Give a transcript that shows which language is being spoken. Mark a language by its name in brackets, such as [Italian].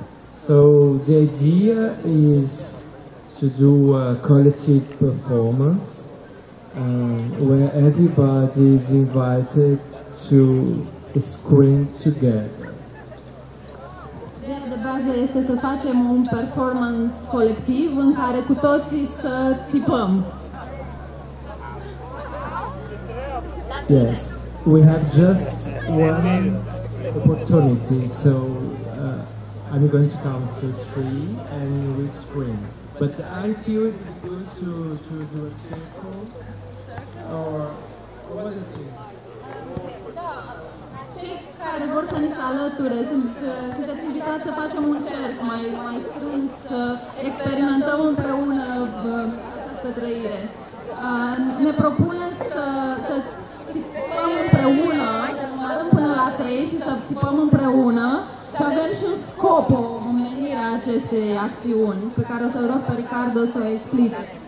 [English] So the idea is to do a collective performance where everybody is invited to screen together. [Romanian] Ideea de bază este să facem un performance colectiv în care cu toții să țipăm. [English] Yes, we have just one opportunity, so I'm going to count to three and we scream. But I feel it good to do a circle or what is it? [Romanian] Cei care vor să ni se alăture, sunteți invitați să facem un cerc mai strâns, să experimentăm împreună această trăire. Ne propune să țipăm împreună, să mărăm până la 3 și să țipăm împreună și avem și un scop, o menire a acestei acțiuni pe care o să-l rog pe Ricardo să o explice.